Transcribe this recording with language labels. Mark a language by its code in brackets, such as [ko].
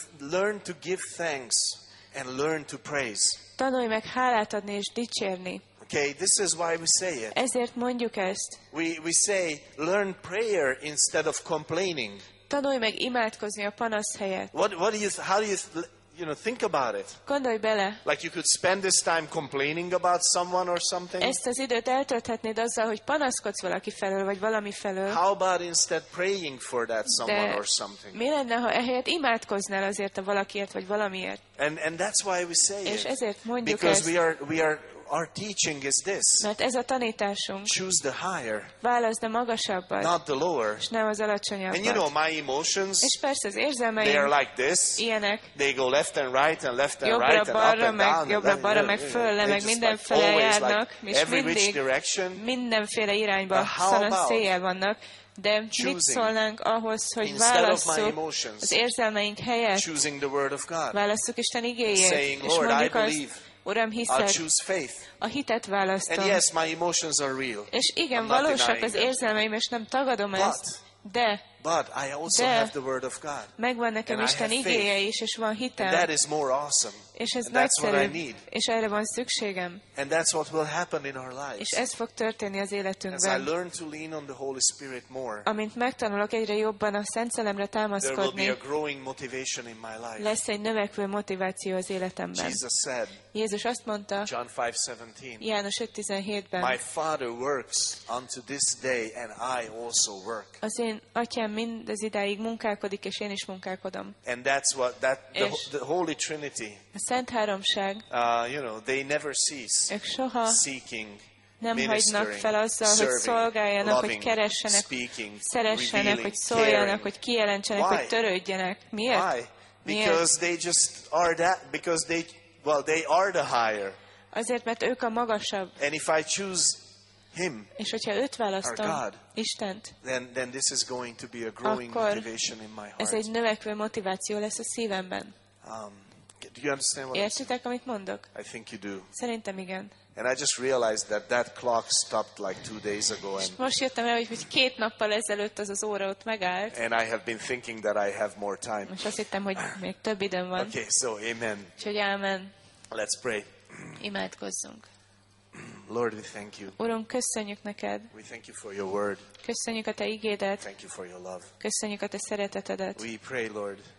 [en] Learn to give thanks. And learn to praise. [hu] Tanulj meg hálát adni és dicsérni. [en] Okay, this is why we say it. [hu] Ezért mondjuk ezt. [en] We say learn prayer instead of complaining. [hu] Tanulj meg imádkozni a panasz helyett. [en] How do you think about it? [hu] Gondolj bele. [en] Like you could spend this time complaining about someone or something. [hu] Ezt az időt eltölthetnéd azzal, hogy panaszkodsz valaki felől vagy valami felől. [en] How about instead praying for that someone or something? [hu] Mi lenne, ha ehelyett imádkoznál azért a valakiért vagy valamiért? [en] And that's why we say [hu] és [en] it. [hu] És ezért mondjuk [en] because [hu] ezt. [en] Our teaching is this. [hu] Mert ez a tanításunk. [en] Choose the higher. [hu] Válaszd a magasabbat. [en] Not the lower. [hu] És nem az alacsonyabbat. [en] And you know my emotions. [hu] És persze az érzelmeim. [en] They are like this. [hu] Ilyenek. [en] They go left and right and left and right and up and down. [hu] Jobbra balra meg föl le meg mindenfelé járnak. [en] Every which direction. [hu] Mindenféle irányba szanaszéjjel vannak. De mit szólnánk ahhoz, hogy válasszuk az érzelmeink helyett? [en] Choosing the word of God. [hu] Válasszuk Isten igéjét. [en] Saying, Lord, I believe. [hu] Uram, hiszed, [en] I'll choose faith. [hu] A hitet választom. [en] And yes, my emotions are real. [hu] És igen, valósak az érzelmeim, és nem tagadom ezt. [en] But I also have the word of God. [hu] Megvan nekem Isten igéje is, és van hitem. [en] And that is more awesome. [hu] És ez nagyszerű. És erre van szükségem. [en] And that's what will happen in our lives. [hu] És ez fog történni az életünkben. [en] As I learn to lean on the Holy Spirit more. [hu] Amint megtanulok egyre jobban a Szent Szellemre támaszkodni. [en] There will be a growing motivation in my life. [hu] Lesz egy növekvő motiváció az életemben. [en] Jesus said. [hu] Jézus azt mondta. [en] John 5:17. [hu] János 5:17-ben. [en] My Father works unto this day, and I also work. [hu] Az én Atyám mindez idáig munkálkodik, és én is munkálkodom. [en] And that's what the Holy Trinity. [hu] A Szent Háromság. [en] They never cease. [hu] Ők soha [en] seeking, [hu] nem hagynak fel azzal, hogy szolgáljanak, [en] loving, [hu] hogy keressenek, [en] speaking, [hu] szeressenek, hogy szóljanak, [en] caring. [hu] Hogy kijelentsenek, [en] why? [hu] Hogy törődjenek. Miért? [en] Why? Because they just are that. Because they, well, they are the higher. [hu] Azért, mert ők a magasabb. [en] And if I choose Him, [hu] és hogyha őt választom, Istent, [en] then this is going to be a growing motivation in my heart. [hu] Ez egy növekvő motiváció lesz a szívemben. [en] Do you understand what [hu] értitek, amit mondok? [en] I think you do. [hu] Szerintem igen. [en] And I just realized that clock stopped like 2 days ago. And [hu] most jöttem rá, hogy 2 nappal ezelőtt az az óra ott megállt. [en] And I have been thinking that I have more time. [hu] Most azt hittem, hogy még több időm van. [en] Okay, so amen. [hu] Úgyhogy amen. [en] Let's pray. [hu] Imádkozzunk. [en] Lord, we thank you. [hu] Urunk, köszönjük neked. [en] We thank you for your word. [hu] Köszönjük a te igédet. [en] Thank you for your love. [hu] Köszönjük a te szeretetedet. [en] We pray, Lord.